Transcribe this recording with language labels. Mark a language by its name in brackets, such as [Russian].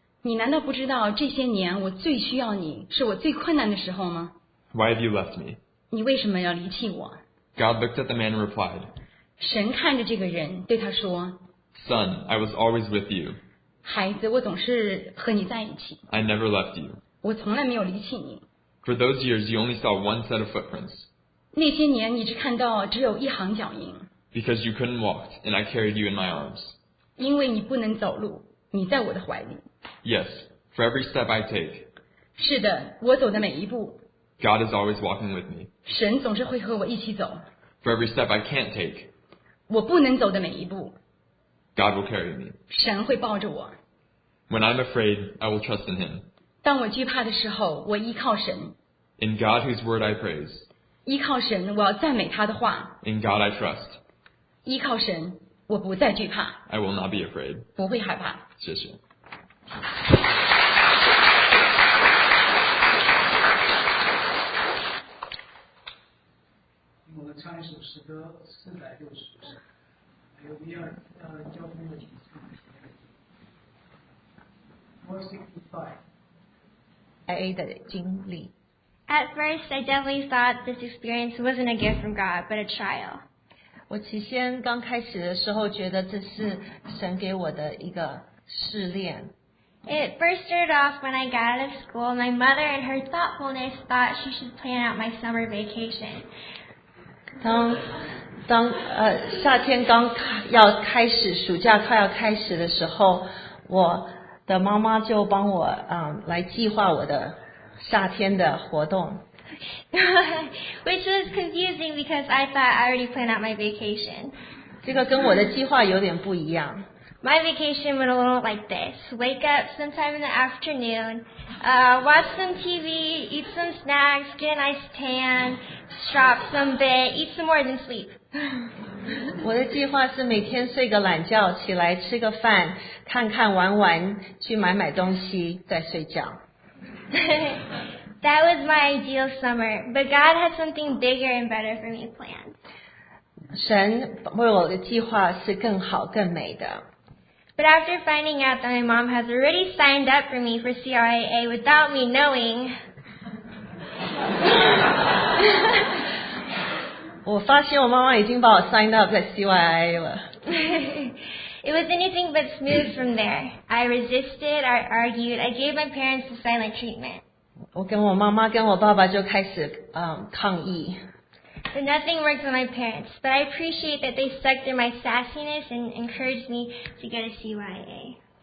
[Chinese] 你难道不知道这些年我最需要你，是我最困难的时候吗 [English] ？Why have you left me？ [Chinese] 你为什么要离弃我 [English] ？God looked at the man and replied。 [Chinese] 神看着这个人对他说 [English] ：“Son, I was always with you。” [Chinese] 孩子，我总是和你在一起。 [English] I never left you。 [Chinese] 我从来没有离弃你。 [English] For those years, you only saw one set of footprints。 [Chinese] 那些年你只看到只有一行脚印。 [English] Because you couldn't walk, and I carried you in my arms. [Chinese] 因为你不能走路，你在我的怀里。 [English] Yes, for every step I take. [Chinese] 是的，我走的每一步。 [English] God is always walking with me. [Chinese] 神总是会和我一起走。 [English] For every step I can't take. [Chinese] 我不能走的每一步。 [English] God will carry me. [Chinese] 神会抱着我。 [English] When I'm afraid, I will trust in Him. [Chinese] 当我惧怕的时候，我依靠神。 [English] In God whose word I praise. [Chinese] 依靠神，我要赞美他的话。 [English] In God I trust. [Chinese] 依靠神，我不再惧怕。 [English] I will not be afraid. [Chinese] 不会害怕。谢谢。我们唱一首诗歌465，有第二交通的情况。 465 AA 的经历。 [English] At first, I definitely thought this experience wasn't a gift from God, but a trial. [Chinese] 我起先刚开始的时候觉得这是神给我的一个试炼。 [English] It first started off when I got out of school. My mother, in her thoughtfulness, thought she should plan out my summer vacation. [Chinese] 当夏天刚要开始，暑假快要开始的时候，我的妈妈就帮我来计划我的夏天的活动。 [English] Which was confusing because I thought I already planned out my vacation. [Chinese] 这个跟我的计划有点不一样。 [English] My vacation went a little like this. Wake up sometime in the afternoon, watch some TV, eat some snacks, get a nice tan, shop some bit, eat some more, then sleep. [Chinese] 我的计划是每天睡个懒觉，起来吃个饭，看看玩玩，去买买东西，再睡觉。 [English] That was my ideal summer, but God had something bigger and better for me planned. [Chinese] 神为我的计划是更好更美的。 [English] But after finding out that my mom has already signed up for me for CRAA without me knowing, [Chinese] 我发现我妈妈已经把我 [English] signed up [Chinese] 在 CYIA 了。 [English] It was anything but smooth from there. I resisted, I argued, I gave my parents the silent treatment. [Chinese] 我跟我妈妈跟我爸爸就开始抗议。 [English] But nothing worked with my parents, but I appreciate that they stuck through my sassiness and encouraged me to go to CYIA.